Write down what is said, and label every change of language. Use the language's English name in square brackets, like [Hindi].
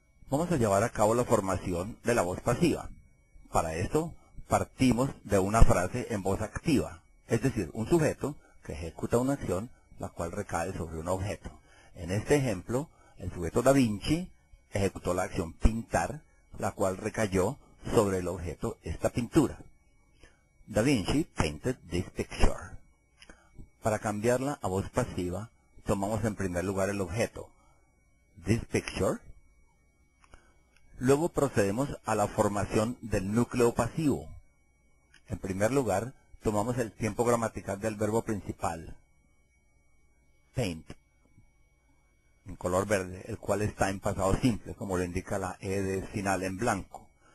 [Spanish] Vamos a llevar a cabo la formación de la voz pasiva. Para esto, partimos de una frase en voz activa, es decir, un sujeto que ejecuta una acción, la cual recae sobre un objeto. En este ejemplo, el sujeto Da Vinci ejecutó la acción pintar, la cual recayó sobre el objeto esta pintura. [English] Da Vinci painted this picture. [Spanish] Para cambiarla a voz pasiva, tomamos en primer lugar el objeto, [English] this picture. [Spanish] Luego procedemos a la formación del núcleo pasivo. En primer lugar, tomamos el tiempo gramatical del verbo principal, paint, en color verde, el cual está en pasado simple, como lo indica la E de final en blanco.